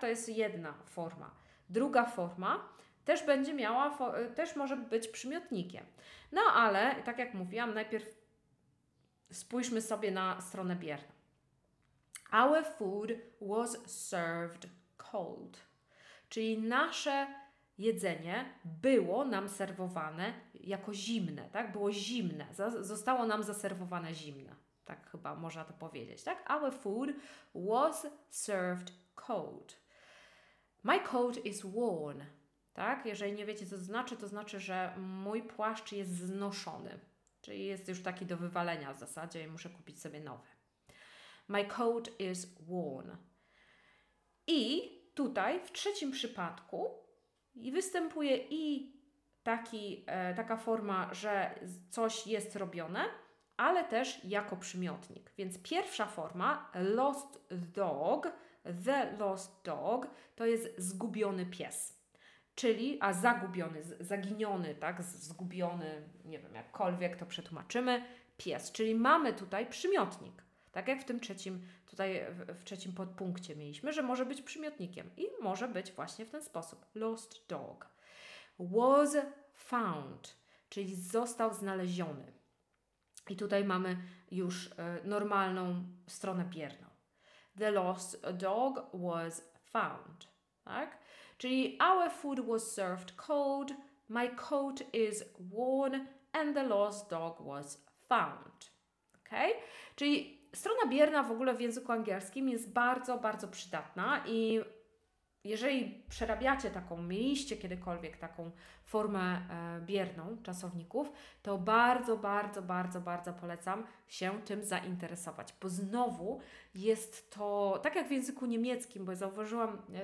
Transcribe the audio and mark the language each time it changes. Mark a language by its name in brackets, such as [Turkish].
[Polish] To jest jedna forma. Druga forma też będzie miała, też może być przymiotnikiem. No ale, tak jak mówiłam, najpierw spójrzmy sobie na stronę bierną. [English] Our food was served cold. [Polish] Czyli nasze jedzenie było nam serwowane jako zimne, tak? Było zimne, zostało nam zaserwowane zimne. Tak chyba można to powiedzieć, tak? [English] Our food was served cold. My coat is worn, tak? [Polish] Jeżeli nie wiecie, co to znaczy, że mój płaszcz jest znoszony. Czyli jest już taki do wywalenia w zasadzie i muszę kupić sobie nowy. [English] My coat is worn. [Polish] I tutaj w trzecim przypadku występuje i taka forma, że coś jest robione, ale też jako przymiotnik. Więc pierwsza forma, [English] lost dog, the lost dog, [Polish] to jest zgubiony pies. Czyli, zaginiony, tak, zgubiony, nie wiem, jakkolwiek to przetłumaczymy, pies. Czyli mamy tutaj przymiotnik. Tak jak w tym trzecim, tutaj w trzecim podpunkcie mieliśmy, że może być przymiotnikiem. I może być właśnie w ten sposób. [English] Lost dog. Was found. [Polish] Czyli został znaleziony. I tutaj mamy już normalną stronę bierną. [English] The lost dog was found. Tak? Czyli our food was served cold, my coat is worn and the lost dog was found. Okay? [Polish] Czyli strona bierna w ogóle w języku angielskim jest bardzo, bardzo przydatna i jeżeli przerabiacie taką, mieliście kiedykolwiek taką formę bierną czasowników, to bardzo, bardzo, bardzo, bardzo polecam się tym zainteresować, bo znowu jest to, tak jak w języku niemieckim, bo zauważyłam,